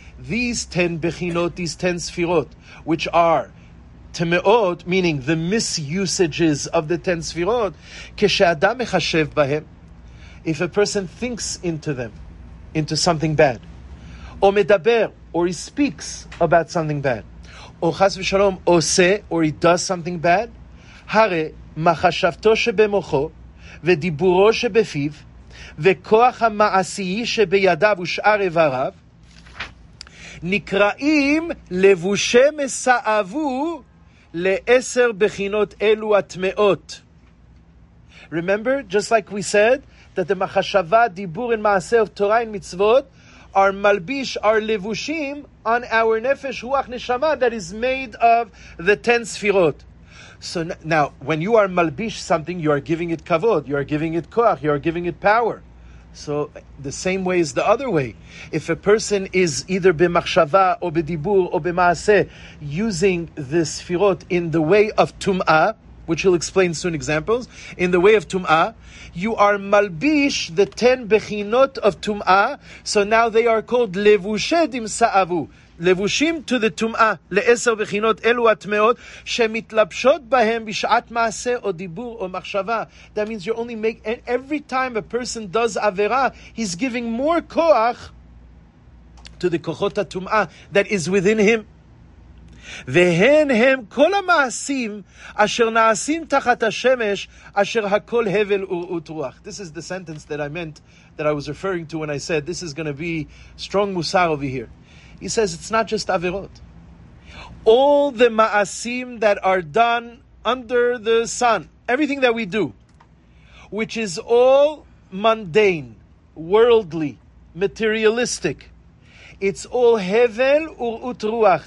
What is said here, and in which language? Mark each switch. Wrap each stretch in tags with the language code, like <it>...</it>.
<en>These 10 bechinot, these 10 sfirot, which are teme'ot, meaning the misusages of the 10 sfirot,</en> <he>kesheadam mechashev bahem,</he> <en>if a person thinks into them, into something bad, o medaber, or he speaks about something bad, o chas v'shalom, oseh, or he does something bad,</en> <he>hare machashavto shebemocho, v'diburo shebefiv, וכוח המעשי שבידיו ושאר איבריו, נקראים לבושי מסעבו לעשר בחינות אלו הטמאות.</he> <en>Remember, just like we said, that the מחשבה, דיבור, and מעשה of Torah and מצוות are מלביש, are לבושים on our נפש, רוח נשמה, that is made of the ten ספירות. So now, when you are malbish something, you are giving it kavod, you are giving it koach, you are giving it power. So the same way is the other way. If a person is either b'machshava, or b'dibur, or b'maaseh, using the sefirot in the way of tum'ah, which he'll explain soon examples, in the way of tum'ah, you are malbish the ten bechinot of tum'ah, so now they are called levushedim sa'avu.</en> <he>לבושים to the tum'ah, לעשר בחינות אלו הטמאות, שמתלבשות בהם בשעת מעשה או דיבור או מחשבה.</he> <en>That means you only make, and every time a person does avera, he's giving more koach to the kochot ha-tum'ah that is within him.</en> <he>והן הם כל המעשים אשר נעשים תחת השמש, אשר הכל הבל ורעות רוח.</he> <en>This is the sentence that I meant, that I was referring to when I said, this is going to be strong musar over here. He says it's not just Averot. All the ma'asim that are done under the sun, everything that we do, which is all mundane, worldly, materialistic, it's all</en> <he>hevel ur'ut ruach.</he>